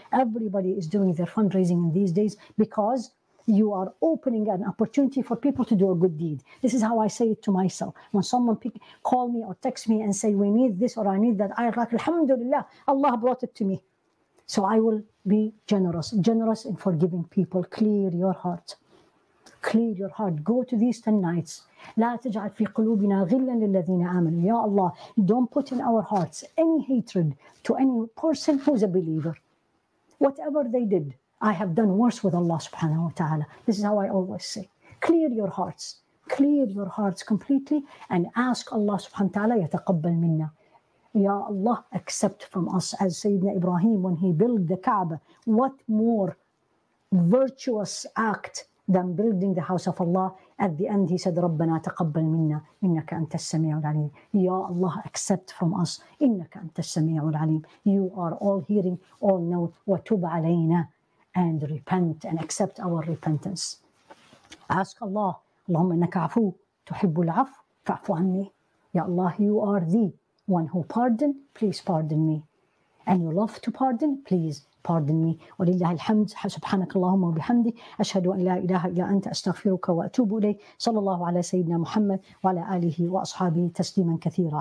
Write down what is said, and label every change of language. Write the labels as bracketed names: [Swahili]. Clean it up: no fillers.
[English] Everybody is doing their fundraising in these days because you are opening an opportunity for people to do a good deed. This is how I say it to myself. When someone call me or text me and say, we need this or I need that, I like, Alhamdulillah, Allah brought it to me. So I will be generous. Generous in forgiving people. Clear your heart. Clear your heart. Go to these 10 nights. [Arabic] لا تجعل في قلوبنا غلا للذين آمنوا. [English] Ya Allah, don't put in our hearts any hatred to any person who's a believer. Whatever they did, I have done worse with Allah subhanahu wa ta'ala. This is how I always say. Clear your hearts. Clear your hearts completely and ask Allah subhanahu wa ta'ala [Arabic] يتقبل منا. [English] Ya Allah, accept from us. As Sayyidina Ibrahim, when he built the Kaaba, what more virtuous act than building the house of Allah? At the end, he said, [Arabic] رَبَّنَا تَقَبَّلْ مِنَّا إِنَّكَ أَنْتَ السَّمِيعُ الْعَلِيمُ. Ya Allah, [English] accept from us. [Arabic] إِنَّكَ أَنْتَ السَّمِيعُ الْعَلِيمُ. [English] You are all hearing, all know. [Arabic] وَتُبْ عَلَيْنَا. [English] And repent and accept our repentance. [Arabic] Ask Allah, اللهم إنك عفو تحب العفو فعفو عني. [English] Ya Allah, You are the one who pardon, please pardon me. And You love to pardon, please pardon me. [Arabic] ولله الحمد سبحانك اللهم وبحمدك أشهد أن لا إله إلا أنت أستغفرك وأتوب إليك. صلى الله على سيدنا محمد وعلى آله وأصحابه تسليما كثيرا.